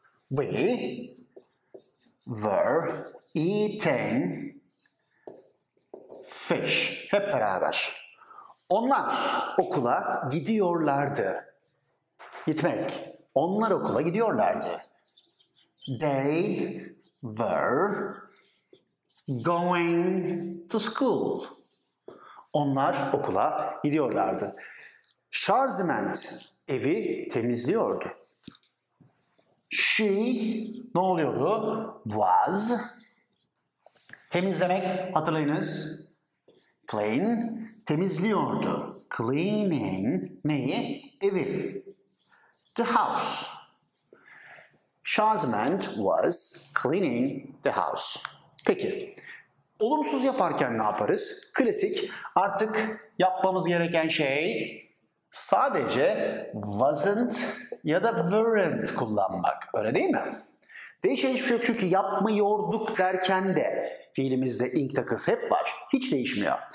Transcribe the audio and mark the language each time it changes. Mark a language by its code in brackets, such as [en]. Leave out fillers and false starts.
[en] We were eating fish. [tr] Hep beraber. Onlar okula gidiyorlardı. Gitmek. Onlar okula gidiyorlardı. [en] They were going to school. [tr] Onlar okula gidiyorlardı. Charlemagne evi temizliyordu. [en] She [tr] ne oluyordu? [en] Was [tr] temizlemek, hatırlayınız. [en] Clean [tr] temizliyordu. [en] Cleaning [tr] neyi? Evi. [en] The house. Charlemagne was cleaning the house. [tr] Peki. Olumsuz yaparken ne yaparız? Klasik. Artık yapmamız gereken şey sadece wasn't ya da weren't kullanmak. Öyle değil mi? Değişen hiçbir şey yok çünkü yapmıyorduk derken de fiilimizde ink takısı hep var. Hiç değişmiyor.